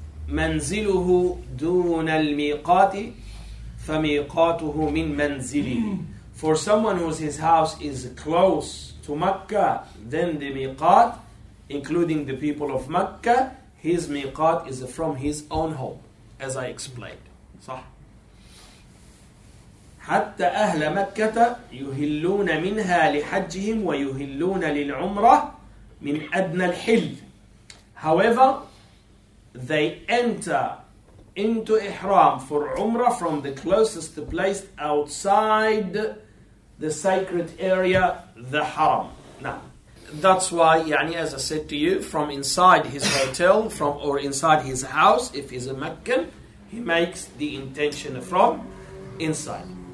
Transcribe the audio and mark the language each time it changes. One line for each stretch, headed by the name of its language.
Arabic: منزله دون الميقات فميقاته من منزله.
English: For someone whose his house is close to Mecca than the miqat, including the people of Mecca, his miqat is from his own home, as I explained.
Arabic: صح. حتى أهل مكة يهلون منها لحجهم ويهلون للعمرة من أدنى الحل.
English: However, they enter into ihram for umrah from the closest place outside the sacred area, the haram. Now, that's why, yani, as I said to you, from inside his hotel, from or inside his house, if he's a Meccan, he makes the intention from inside.